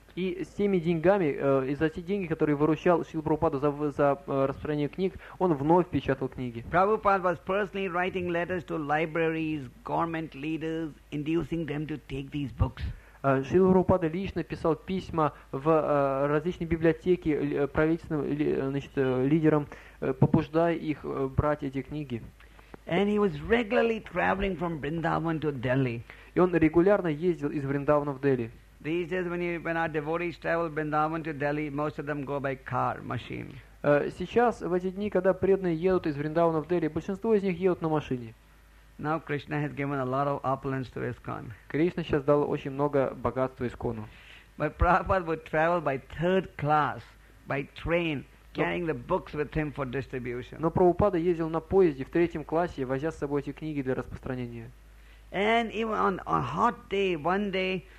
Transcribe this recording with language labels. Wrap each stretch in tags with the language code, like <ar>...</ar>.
<ru>И с теми деньгами, и за те деньги, которые выручал Шрила Прабхупада за распространение книг, он вновь печатал книги.</ru> <en>Prabhupada was personally writing letters to libraries, government leaders, inducing them to take these books.</en> <ru>Шрила Прабхупада лично писал письма в различные библиотеки правительственным, значит, лидерам, побуждая их брать эти книги.</ru> <en>And he was regularly traveling from Vrindavan to Delhi.</en> <ru>И он регулярно ездил из Вриндавана в Дели.</ru> <en>These days, when our devotees travel Vrindavan to Delhi, most of them go by car, machine.</en> <ru>Сейчас в эти дни, когда преданные едут из Вриндавана в Дели, большинство из них едут на машине.</ru> <en>Now Krishna has given a lot of opulence to ISKCON.</en> <ru>Кришна сейчас дал очень много богатства ИСКОНу.</ru> <en>But Prabhupada would travel by third class, by train, carrying the books with him for distribution.</en> <ru>Но Прабхупада ездил на поезде в третьем классе, возя с собой эти книги для распространения.</ru> <en>And even on a hot day, one day.</en>